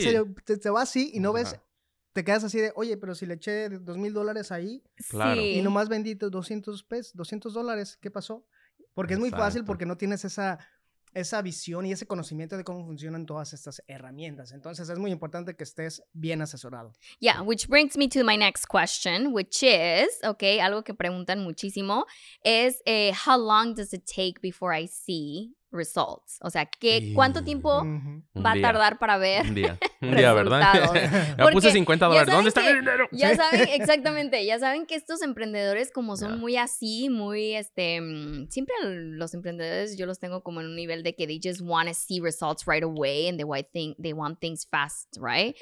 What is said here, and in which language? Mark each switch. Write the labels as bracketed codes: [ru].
[es] Se va así y no ves, te quedas así de, oye, pero si le eché $2,000 ahí, claro. Y nomás vendí $200, ¿qué pasó? Porque es muy fácil, porque no tienes esa visión y ese conocimiento de cómo funcionan todas estas herramientas. Entonces, es muy importante que estés bien asesorado. [en] Yeah, which brings me to my next question, which is, okay, [es] algo que preguntan muchísimo, es [en] how long does it take before I see results. [es] O sea, ¿qué, ¿cuánto tiempo va a tardar para ver un día, ¿verdad? Ya puse $50. ¿Dónde está mi dinero? Ya saben, exactamente. Ya saben que estos emprendedores como son muy así, muy siempre los emprendedores yo los tengo como en un nivel de que [en] they just want to see results right away and they want things fast, right?